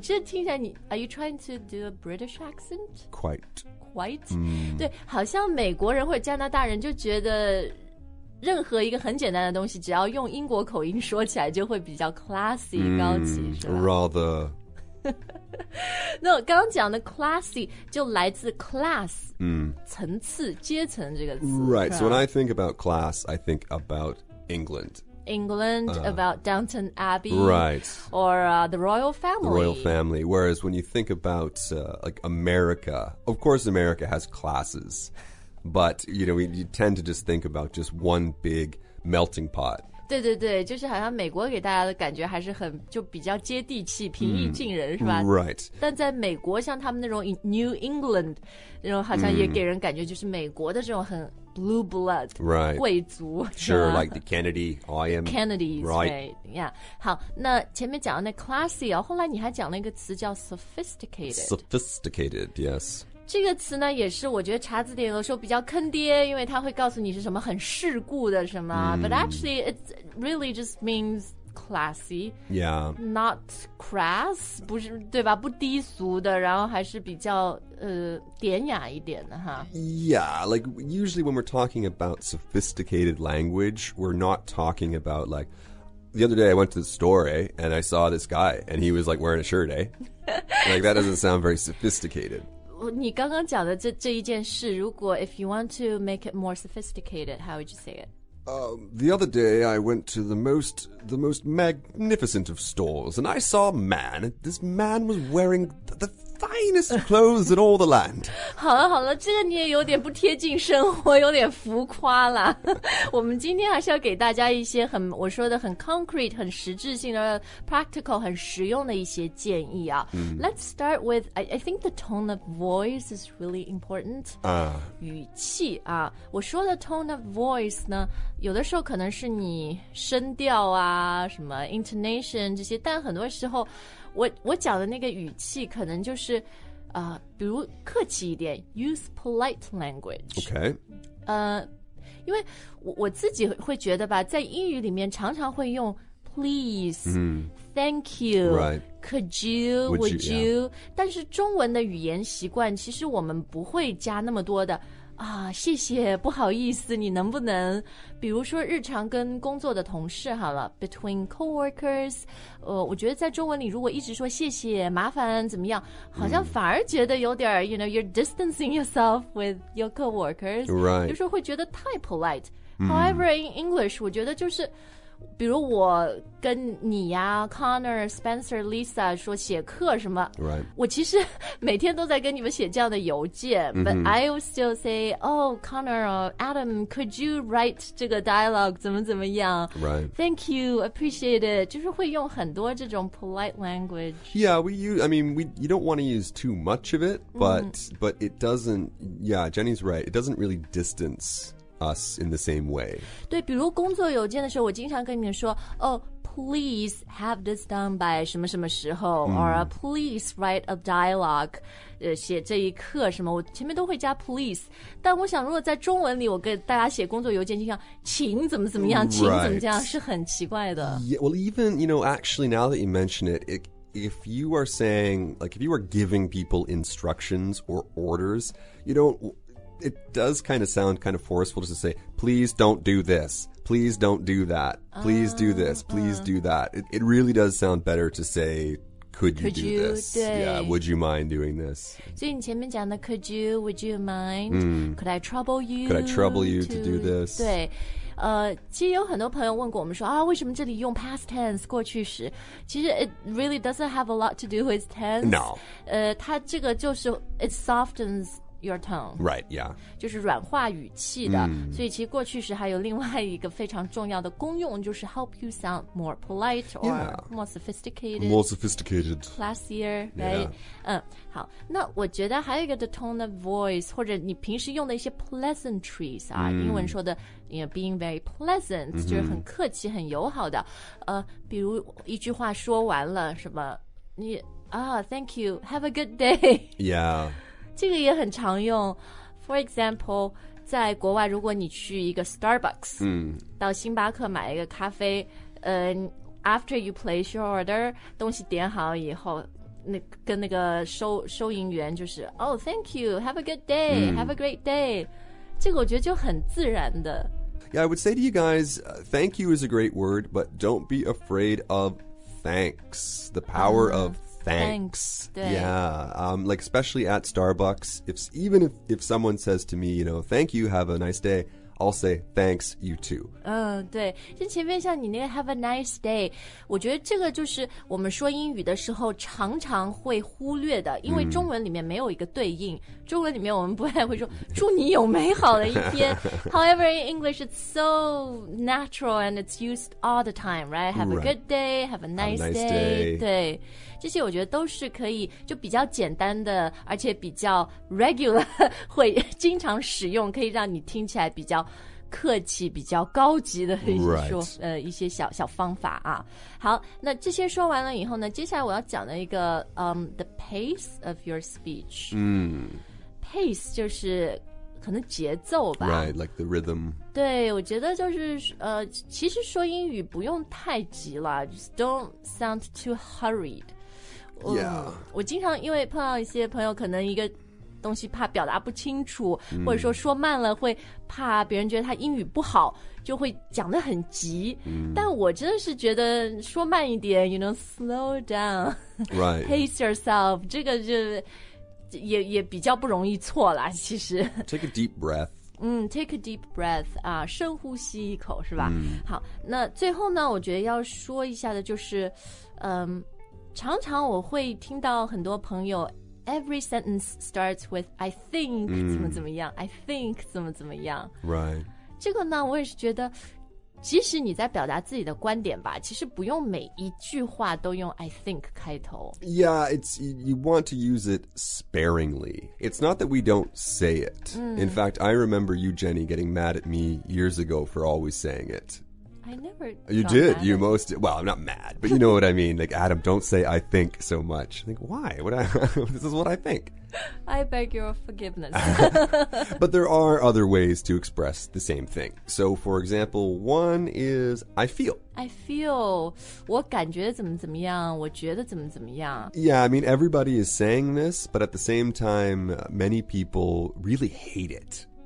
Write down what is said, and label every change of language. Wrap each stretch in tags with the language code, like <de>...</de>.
<zh>这听起来你</zh> <en>are you trying to do a British accent? Quite.、</en> <zh>对，好像美国人或者加拿大人就觉得任何一个很简单的东西只要用英国口音说起来就会比较 classy、高级是吧</zh> <en>rather</en> <zh>那我刚刚讲的 classy 就来自 class、层次阶层这个词</zh> <en>right so when I think about class I think about England、 about Downton Abbey right or、the royal family whereas when you think about、like America of course America has classesBut, you know, you tend to just think about just one big melting pot.</en> <zh>对对对，就是好像美国给大家的感觉还是很就比较接地气，平易近人，是吧？</zh> <en>Right.</en> <zh>但在美国，像他们那种 New England， 那种好像也给人感觉就是美国的这种很 blue blood，</zh> <en>right?</en> <zh>贵族。</zh> <en>Sure, like the Kennedy, I am. Kennedys, right? Yeah.</en> <zh>好，那前面讲的那 classy 啊，后来你还讲了一个词叫 sophisticated.</zh> <en>Sophisticated, yes.</en> <zh>这个词呢也是我觉得查字典的时候比较坑爹因为它会告诉你是什么很世故的什么、</zh> <en>But actually it really just means classy Yeah Not crass</en> <zh>不是对吧不低俗的然后还是比较、典雅一点的哈</zh> <en>Yeah like usually when we're talking about sophisticated language we're not talking about like the other day I went to the store、and I saw this guy and he was like wearing a shirt、like that doesn't sound very sophisticated</en> <zh>你刚刚讲的这一件事如果</zh> <en>if you want to make it more sophisticated, how would you say it?、 The other day, I went to the most magnificent of stores, and I saw a man. This man was wearing the finest clothes in all the land.</en> <zh>好了好了这个你也有点不贴近生活有点浮夸了。我们今天还是要给大家一些很我说的很 concrete, 很实质性的 practical, 很实用的一些建议啊。</zh> <en>Let's start with, I think the tone of voice is really important.</en> <zh>语气啊。我说的</zh> <en>tone of voice</en> <zh>呢有的时候可能是你声调啊什么 intonation 这些但很多时候我讲的那个语气可能就是、比如客气一点</zh> <en>use polite language OK</en> <zh>因为 我自己会觉得吧在英语里面常常会用 please、thank you、</zh> <en>right. could you would you、 yeah.</en> <zh>但是中文的语言习惯其实我们不会加那么多的啊，谢谢，不好意思，你能不能，比如说日常跟工作的同事好了 ，</zh> <en>between coworkers，</en> <zh>我觉得在中文里如果一直说谢谢、麻烦怎么样，好像反而觉得有点、</zh> <en>you know, you're distancing yourself with your coworkers， right，</en> <zh>有时候会觉得太 polite。</zh> <en>However, in English，</en> <zh>我觉得就是。比如我跟你呀 Connor, Spencer, Lisa 说写课什么、</zh> <en>right.</en> <zh>我其实每天都在跟你们写这样的邮件、</zh> <en>But I will still say Oh, Connor, Adam, could you write 这个 dialogue</en> <zh>怎么怎么样、</zh> <en>right. Thank you, appreciate it</en> <zh>就是会用很多这种</zh> <en>polite language Yeah, we use, I mean, you don't want to use too much of it but,、but it doesn't Yeah, Jenny's right, it doesn't really distance us in the same way.</en> <zh>对，比如工作邮件的时候，我经常跟你们说，哦</zh> <en>please have this done by</en> <zh>什么什么时候、</zh> <en>mm. or please write a dialogue</en> <zh>写这一课什么我前面都会加 please 但我想如果在中文里我给大家写工作邮件就像请怎么怎么样、</zh> <en>right.</en> <zh>请怎么这样是很奇怪的</zh> <en>yeah, Well even, you know, actually now that you mention it, if you are saying, like if you are giving people instructions or orders, you don't, it does kind of sound kind of forceful just to say, please don't do this. Please don't do that. Please do this. Please do that. It really does sound better to say, could you do this? Yeah, would you mind doing this?</en> <zh>所以你前面讲的</zh> <en>could you, would you mind?、Mm. Could I trouble you? Could I trouble you to do this?</en> <zh>对、其实有很多朋友问过我们说、啊、为什么这里用</zh> <en>past tense,</en> <zh>过去时其实</zh> <en>it really doesn't have a lot to do with tense. No.、</en> <zh>它这个就是</zh> <en>it softens,Your tone. Right, yeah.</en> <zh>就是软化语气的、mm. 所以其实过去时还有另外一个非常重要的功用就是</zh> <en>help you sound more polite or、 yeah. more sophisticated. Classier, right? Yeah.</en> <zh>好那我觉得还有一个</zh> <en>the tone of voice</en> <zh>或者你平时用的一些 pleasantries 啊、mm. 英文说的</zh> <en>you know, being very pleasant、</en> <zh>mm-hmm. 就是很客气很友好的比如一句话说完了什么你啊、</zh> <en>oh, thank you, have a good day. Yeah.</en> <zh>这个也很常用</zh> <en>For example</en> <zh>在国外如果你去一个 Starbucks、 mm. 到星巴克买一个咖啡、</zh> <en>After you place your order</en> <zh>东西点好以后那跟那个 收银员就是</zh> <en>Oh thank you, have a good day、</en> <zh>mm.</zh> <en>Have a great day</en> <zh>这个我觉得就很自然的</zh> <en>Yeah, I would say to you guys、thank you is a great word But don't be afraid of thanks The power、mm. of thanks. Yeah, like especially at Starbucks, if someone says to me, you know, thank you, have a nice day, I'll say thanks, you too.</en> <zh>对，就前面像你那个</zh> <en>have a nice day,</en> <zh>我觉得这个就是我们说英语的时候常常会忽略的，因为中文里面没有一个对应。 Mm. 中文里面我们不太会说祝你有美好的一天。</zh> <en>However, in English, it's so natural and it's used all the time, right? Have a good day, have a nice day.</en> <zh>对。这些我觉得都是可以就比较简单的而且比较 regular 会经常使用可以让你听起来比较客气比较高级的说、</zh> <en>right.</en> <zh>一些小方法啊好那这些说完了以后呢接下来我要讲的一个、</zh> <en>the pace of your speech、 mm.</en> <zh>pace 就是可能节奏吧</zh> <en>right like the rhythm</en> <zh>对我觉得就是其实说英语不用太急了</zh> <en>just don't sound too hurried Yeah.</en> <zh>我经常因为碰到一些朋友可能一个东西怕表达不清楚、mm. 或者说说慢了会怕别人觉得他英语不好就会讲得很急、mm. 但我真的是觉得说慢一点</zh> <en>you know, slow down Right. pace yourself</en> <zh>这个就 也比较不容易错啦其实</zh> <en>Take a deep breath Take a deep breath</en> <zh>啊，深呼吸一口是吧、mm. 好那最后呢我觉得要说一下的就是常常我会听到很多朋友</zh> <en>every sentence starts with I think、</en> <zh>mm. 怎么怎么样</zh> <en>I think</en> <zh>怎么怎么样</zh> <en>Right</en> <zh>这个呢我也是觉得即使你在表达自己的观点吧其实不用每一句话都用</zh> <en>I think</en> <zh>开头</zh> <en>Yeah, you want to use it sparingly It's not that we don't say it、 mm. In fact, I remember you, Jenny, getting mad at me years ago for always saying it I never You did, you most did. Well, I'm not mad, but you know what I mean. Like, Adam, don't say I think so much. Like, why? This is what I think. I beg your forgiveness. But there are other ways to express the same thing. So, for example, one is I feel. I feel.</en> <zh>我感觉怎么怎么样，我觉得怎么怎么样。</zh> <en>Yeah, I mean, everybody is saying this, but at the same time, many people really hate it.</en>